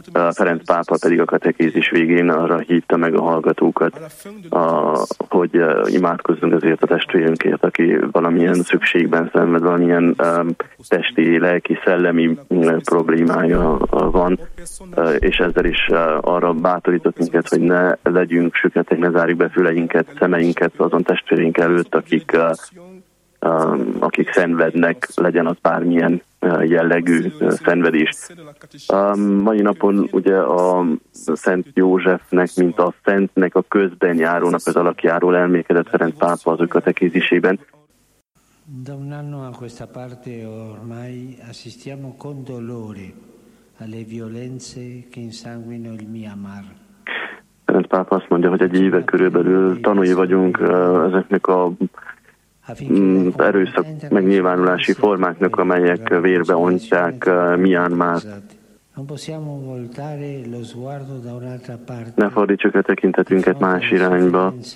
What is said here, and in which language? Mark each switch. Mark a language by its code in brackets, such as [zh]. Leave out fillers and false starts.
[hu] Ferenc pápa pedig a katekézis végén arra hívta meg a hallgatókat, hogy imádkozzunk azért a testvérünkért, aki valamilyen szükségben szenved, valamilyen testi, lelki, szellemi problémája van, és ezzel is arra bátorított minket, hogy ne legyünk süketek, ne zárjuk be füleinket, szemeinket azon testvéreink előtt, akik szenvednek, legyen az bármilyen jellegű szenvedés. Mai napon ugye a Szent Józsefnek, mint a Szentnek a közben járónak az alakjáról emlékezett Ferenc pápa az ő katekézisében. [it] Da un anno a questa parte ormai assistiamo con dolore alle violenze che insanguinano il Myanmar. [hu] Ferenc pápa azt mondja, hogy egy éve körülbelül tanúi vagyunk ezeknek az erőszak megnyilvánulási formáknak, amelyek vérbe ontják Myanmart. [it] Non possiamo voltare lo sguardo da un'altra parte. [hu] Ne fordítsuk a tekintetünket más irányba.